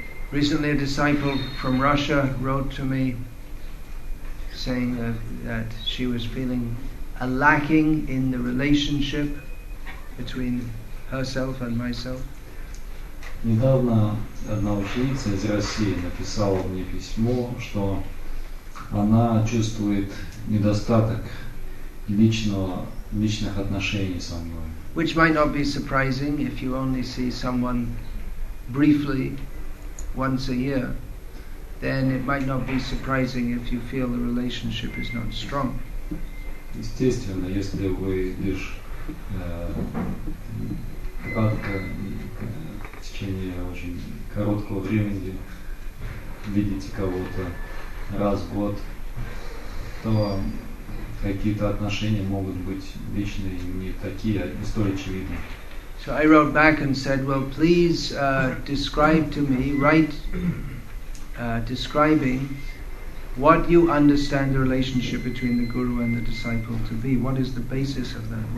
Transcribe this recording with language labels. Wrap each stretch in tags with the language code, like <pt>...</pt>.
<en>Recently a disciple from Russia wrote to me saying that she was feeling a lacking in the relationship between herself and myself.</en> <ru>Недавно одна ученица из России написала мне письмо, что она чувствует недостаток личных отношений со мной.</ru> <en>Which might not be surprising if you only see someone briefly once a year, then it might not be surprising if you feel the relationship is not strong.</en> <ru>Естественно, если вы лишь кратко, в течение очень короткого времени видите кого-то раз в год, то какие-то отношения могут быть вечные и не такие, а не столь очевидны.</ru> <en>So I wrote back and said, well, please describe to me, write describing what you understand the relationship between the guru and the disciple to be. What is the basis of that?</en>